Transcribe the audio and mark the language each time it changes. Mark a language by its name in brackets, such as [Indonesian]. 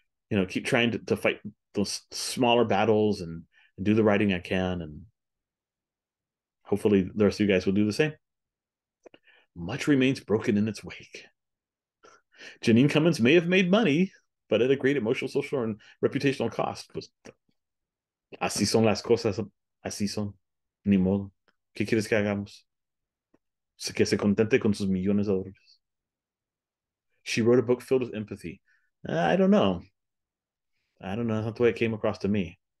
[English] you know, keep trying to fight those smaller battles and do the writing I can. And hopefully the rest of you guys will do the same. Much remains broken in its wake. Janine Cummins may have made money, but at a great emotional, social, and reputational cost. [Spanish] Pues, así son las cosas. Así son. Ni modo. ¿Qué quieres que hagamos? Que se contente con sus millones de dólares. [English] She wrote a book filled with empathy. I don't know. I don't know. That's not the way it came across to me.